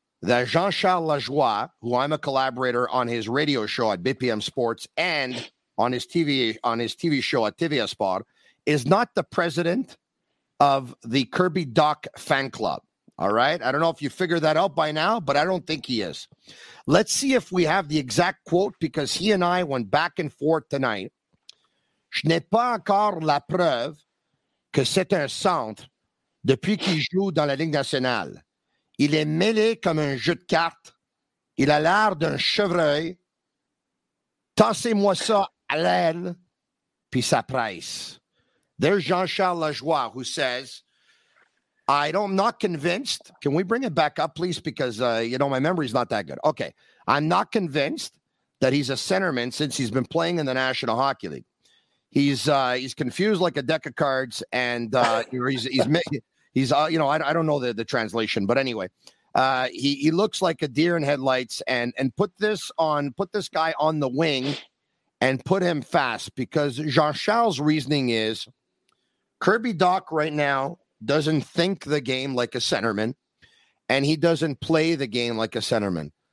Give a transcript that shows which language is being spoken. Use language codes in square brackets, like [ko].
[en] that Jean-Charles Lajoie, who I'm a collaborator on his radio show at BPM Sports and on his TV show at TV Sport, is not the president of the Kirby Doc fan club. All right. I don't know if you figured that out by now, but I don't think he is. Let's see if we have the exact quote, because he and I went back and forth tonight. [fr] Je n'ai pas encore la preuve que c'est un centre depuis qu'il joue dans la Ligue nationale. Il est mêlé comme un jeu de cartes. Il a l'air d'un chevreuil. Tassez-moi ça à l'aile, puis ça presse. [en] There's Jean-Charles Lajoie, who says, I don't, I'm not convinced. Can we bring it back up, please? Because, you know, my memory's not that good. Okay. I'm not convinced that he's a centerman since he's been playing in the National Hockey League. He's confused like a deck of cards, and I don't know the translation, but anyway, he looks like a deer in headlights, and put this guy on the wing and put him fast, because Jean-Charles' reasoning is Kirby Doc right now doesn't think the game like a centerman, and he doesn't play the game like a centerman.